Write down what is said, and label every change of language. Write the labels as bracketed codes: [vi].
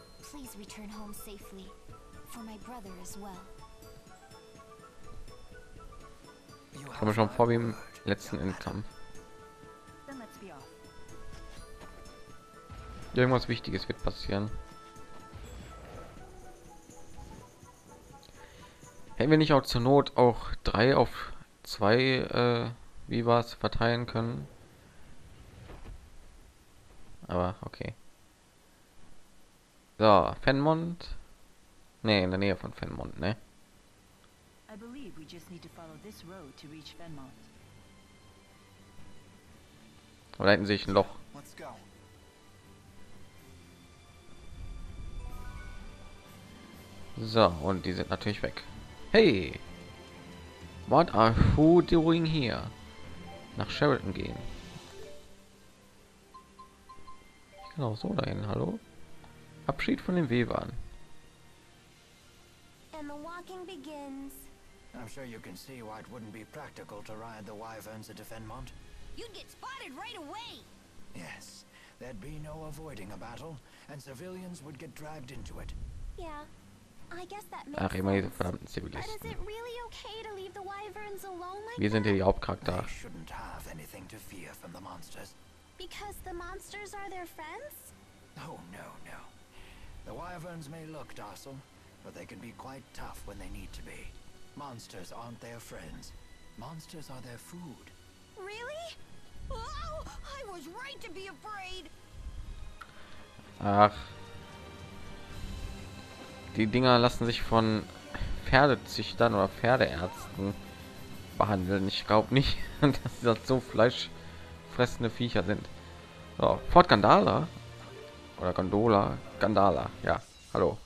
[en] Please return home safely. For my brother as well. [de] Ich komme schon vor wie im letzten Endkampf. Irgendwas Wichtiges wird passieren. Hätten wir nicht auch zur Not auch 3 auf 2 wie war es verteilen können, aber okay. So, Fenmond, ne, in der Nähe von Fenmond, ne? [en] I believe we just need to follow this road to reach Fenmond. [de] Oder hätten sich ein Loch. So, und die sind natürlich weg. [en] Hey, what are you doing here? [de] Nach Sheraton gehen. Genau, so dahin, hallo. Abschied von den Webern. [en] And the walking begins. I'm sure you can see why it wouldn't be practical to ride the wyverns at Defenmont. You'd get spotted right away. Yes, there'd be no avoiding a battle, and civilians would get dragged into it. Yeah, I guess that makes sense. [de] Ach, immer diese verdammten Zivilisten. [en] But is it really okay to leave the wyverns alone like that? [de] Wir sind hier die Hauptcharakter. [en] They shouldn't have anything to fear from the monsters. Because the monsters are their friends? Oh, no, no. The wyverns may look docile, but they can be quite tough when they need to be. Monsters aren't their friends. Monsters are their food. Really? Oh, I was right to be afraid. [de] Ach. Die Dinger lassen sich von Pferdezüchtern oder Pferdeärzten behandeln. Ich glaube nicht, dass sie das so fleischfressende Viecher sind. So, Fort Gandala. Oder Gondola. Gandala. Ja. Hallo.